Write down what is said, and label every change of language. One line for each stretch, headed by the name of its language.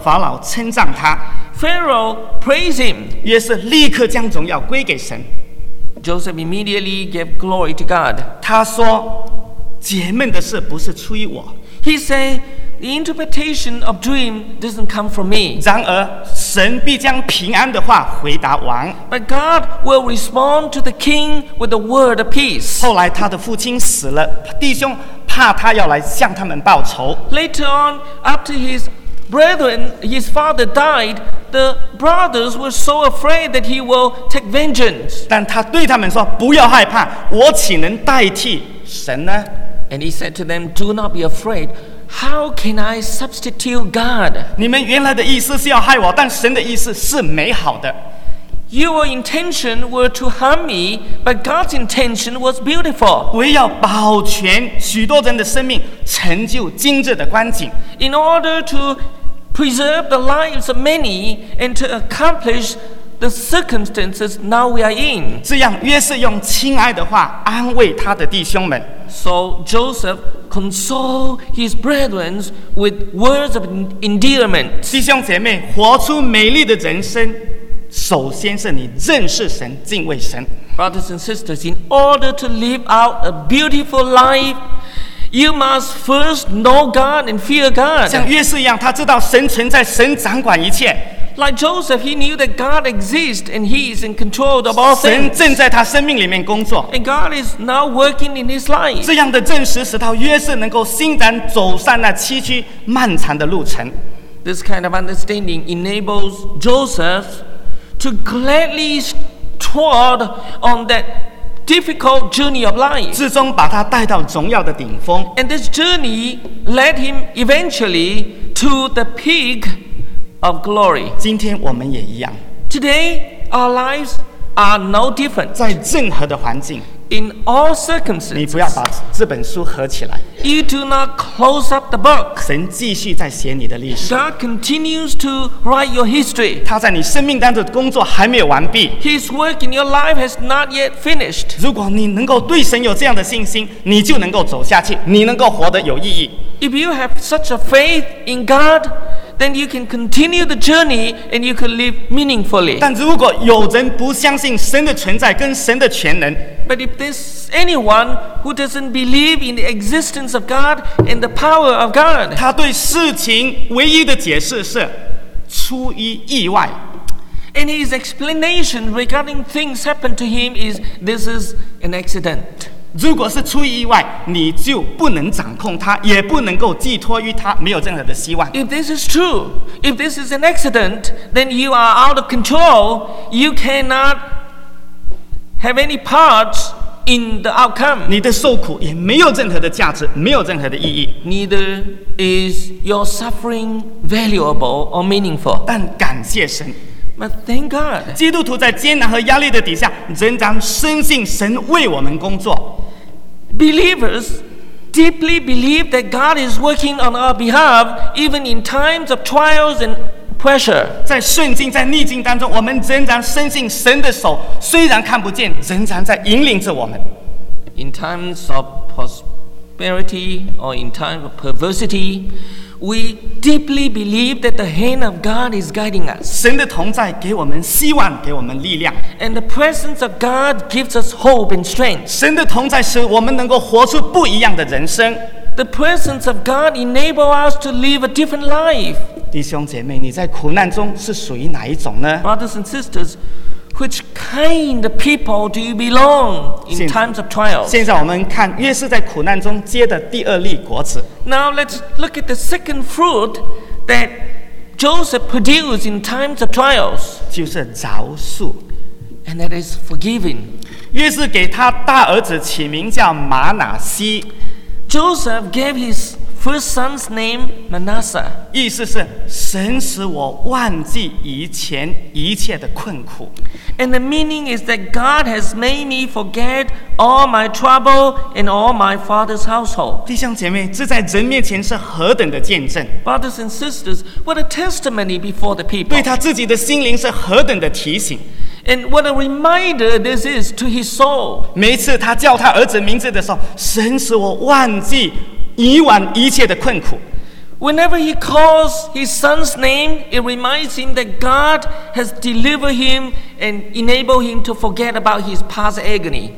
Chinese: 法老称赞他。
English: Pharaoh praised him.
Chinese: 约瑟立刻将荣耀归给神。
English: Joseph immediately gave glory to God.
Chinese: 他说，解闷的事不是出于我。
English: He said. The interpretation of dream doesn't come from me.
Chinese: 然而，神必将平安的话回答王。
English: But God will respond to the king with a word of peace.
Chinese: 后来，他的父亲死了，弟兄怕他要来向他们报仇。
English: Later on, after his brethren, his father died, the brothers were so afraid that he will take vengeance.
Chinese: 但他对他们说：“不要害怕，我岂能代替神呢？”
English: And he said to them, "Do not be afraid." How can I substitute God?
Chinese: 你们原来的意思是要害我，但神的意思是美好的。
English: Your intention was to harm me, but God's intention was beautiful.
Chinese: 为要保全许多人的生命，成就今日的光景。
English: In order to preserve the lives of many and to accomplish the circumstances now we are in.
Chinese: 这样，约瑟用亲爱的话安慰他的弟兄们。
English: So Joseph consoled his brethren with words of endearment.
Chinese: 弟兄姐妹，活出美丽的人生，首先是你认识神、敬畏神。
English: Brothers and sisters, in order to live out a beautiful life, you must first know God and fear God.
Chinese: 像约瑟一样，他知道神存在，神掌管一切。
English: Like Joseph, he knew that God exists and he is in control of all things.
Chinese: 神正在他生命里面工作。
English: And God is now working in his life.
Chinese: 这样的证实使到约瑟能够欣然走上那崎岖漫长的路程。
English: This kind of understanding enables Joseph to gladly trod on that difficult journey of life.
Chinese: 最终把他带到荣耀的顶峰。
English: And this journey led him eventually to the peak. Of glory.
Chinese: 今天我们也一样。
English: Today, our lives are no different.
Chinese: 在任何的环境。
English: In all circumstances.
Chinese: 你不要把这本书合起来。
English: You do not close up the book.
Chinese: 神继续在写你的历史。
English: God continues to write your history.
Chinese: 他在你生命当中的工作还没有完毕。
English: His work in your life has not yet finished.
Chinese: 如果你能够对神有这样的信心，你就能够走下去，你能够活得有意义。
English: If you have such a faith in God. Then you can continue the journey and you can live meaningfully.
Chinese: 但如果有人不相信神的存在跟神的全能
English: But if there's anyone who doesn't believe in the existence of God and the power of God,
Chinese: 他对事情唯一的解释是出于意外
English: And his explanation regarding things happen to him is this is an accident.
Chinese: 如果是出于意外，你就不能掌控它，也不能够寄托于它，没有任何的希望。
English: If this is true, if this is an accident, then you are out of control. You cannot have any part in the outcome.
Chinese: 你的受苦也没有任何的价值，没有任何的意义。
English: Neither is your suffering valuable or meaningful.
Chinese: 但感谢神。
English: But thank God.
Chinese: 基督徒在艰难和压力的底下，仍然深信神为我们工作。
English: Believers deeply believe that God is working on our behalf, even in times of trials and pressure.
Chinese: 在顺境、在逆境当中，我们仍然深信神的手虽然看不见，仍然在引领着我们。
English: In times of prosperity or in times of perversity. We deeply believe that the hand of God is guiding us.
Chinese: 神的同在给我们希望，给我们力量。
English: And the presence of God gives us hope and strength.
Chinese: 神的同在使我们能够活出不一样的人生。
English: The presence of God enables us to live a different life.
Chinese: 弟兄姐妹，你在苦难中是属于哪一种呢？
English: Brothers and sisters, which kind of people do you belong in times of trial?
Chinese: 现在我们看约瑟在苦难中结的第二粒果子。
English: Now let's look at the second fruit that Joseph produced in times of trials.
Chinese: 就是饶恕
English: And that is forgiving.
Chinese: 于是给他大儿子起名叫马拿西。
English: Joseph gave his first son's name Manasseh.
Chinese: 意思是神使我忘记以前一切的困苦。
English: And the meaning is that God has made me forget all my trouble and all my father's household.
Chinese: 弟兄姐妹，这在人面前是何等的见证
English: ！Brothers and sisters, what a testimony before the people.
Chinese: 对他自己的心灵是何等的提醒。
English: And what a reminder this is to his soul.
Chinese: 每次他叫他儿子名字的时候，神使我忘记以往一切的困苦。
English: Whenever he calls his son's name, it reminds him that God has delivered him and enabled him to forget about his past agony.